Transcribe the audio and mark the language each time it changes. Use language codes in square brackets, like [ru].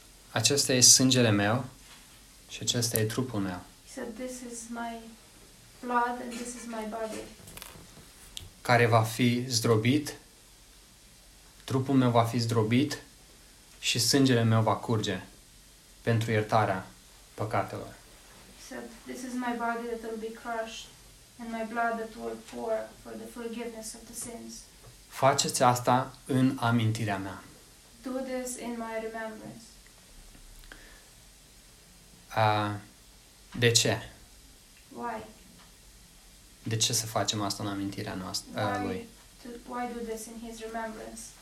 [ro] Acesta e sângele meu și acesta e trupul meu. [en] He said, this is my blood and this is my body. [ro] Care va fi zdrobit, trupul meu va fi zdrobit și sângele meu va curge pentru iertarea păcatelor. [en] He said, this is my body that will be crushed and my blood that will pour for the forgiveness of the sins. [ro] Faceți asta în amintirea mea. [en] Do this in my remembrance. [ro] De ce? [en] Why? [ro] De ce să facem asta în amintirea noastră, lui? [en] Why do this in his remembrance?